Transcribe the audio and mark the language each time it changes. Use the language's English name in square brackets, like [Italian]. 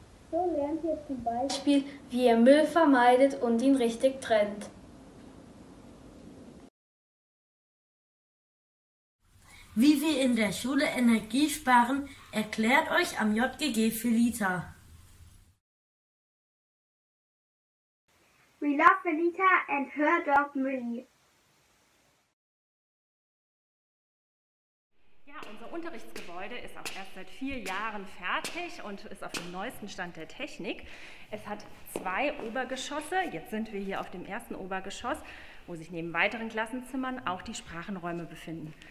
[German] So lernt ihr zum Beispiel, wie ihr Müll vermeidet und ihn richtig trennt. Wie wir in der Schule Energie sparen, erklärt euch am JGG Felita. [English] We love Felita and her dog Milly. [German] Unser Unterrichtsgebäude ist auch erst seit 4 Jahren fertig und ist auf dem neuesten Stand der Technik. Es hat 2 Obergeschosse. Jetzt sind wir hier auf dem ersten Obergeschoss, wo sich neben weiteren Klassenzimmern auch die Sprachenräume befinden.